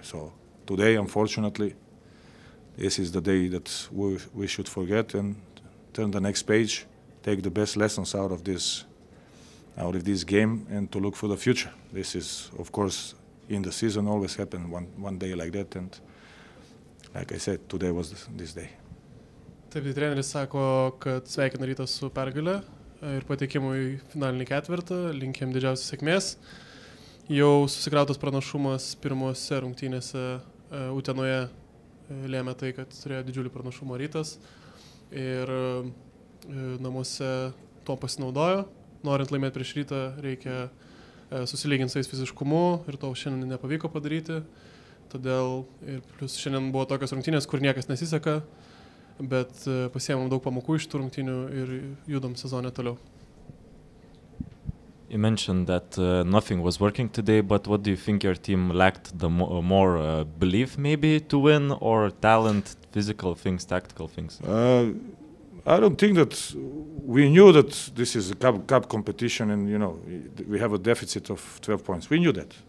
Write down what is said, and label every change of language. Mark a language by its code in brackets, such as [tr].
[en] So today, unfortunately, this is the day that we should forget and turn the next page, take the best lessons out of this game, and to look for the future. This is, of course, in the season always happen one day like that, and like I said, today was this day. [lt] Taip, tai treneris sako, kad sveikina Rytą su pergale ir patekimu į finalinį ketvirtą, linkėm didžiausios sėkmės. Jau susikrautas pranašumas pirmose rungtynėse Utenoje lėmė tai, kad turėjo didžiulį pranašumą Rytas ir namuose to pasinaudojo. Norint laimėti prieš Rytą, reikia susilyginti su jais fiziškumu ir to šiandien nepavyko padaryti. Todėl ir plus šiandien buvo tokios rungtynės, kur niekas nesiseka, bet pasiėmėm daug pamokų iš tų rungtynių ir judom sezonę toliau. [en] You mentioned that nothing was working today, but what do you think your team lacked the more belief maybe to win, or talent, physical things, tactical things? I don't think that we knew that this is a cup competition and, you know, we have a deficit of 12 points. We knew that.